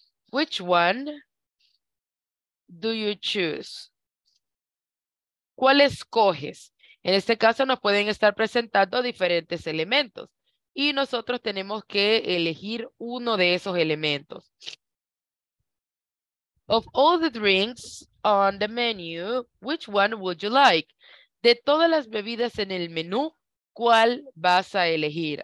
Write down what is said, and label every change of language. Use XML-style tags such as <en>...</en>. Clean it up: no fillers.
<en>Which one do you choose?</en> <es>¿Cuál escoges? En este caso nos pueden estar presentando diferentes elementos y nosotros tenemos que elegir uno de esos elementos.</es> <en>Of all the drinks on the menu, which one would you like?</en> <es>De todas las bebidas en el menú, ¿cuál vas a elegir?</es>